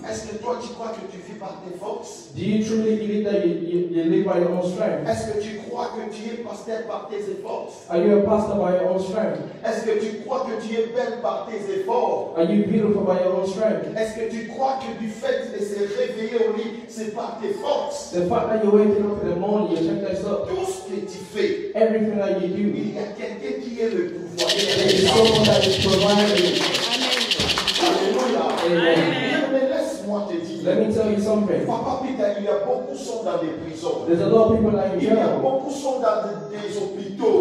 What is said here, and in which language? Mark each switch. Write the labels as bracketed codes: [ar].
[fr] Est-ce que toi tu crois que tu vis par tes forces? [en] Do you truly believe that you live by your own strength? [fr] Est-ce que tu crois que tu es pasteur par tes efforts? [en] Are you a pastor by your own strength? [fr] Est-ce que tu crois que tu es belle par tes efforts? [en] Are you beautiful by your own strength? [fr] Est-ce que tu crois que du fait de se réveiller au lit, c'est par tes forces? [en] The fact that you're waking up in the morning, you check yourself. Everything that you do, there is someone that is providing you. Amen. Let me tell you something. There's a lot of people that are in jail.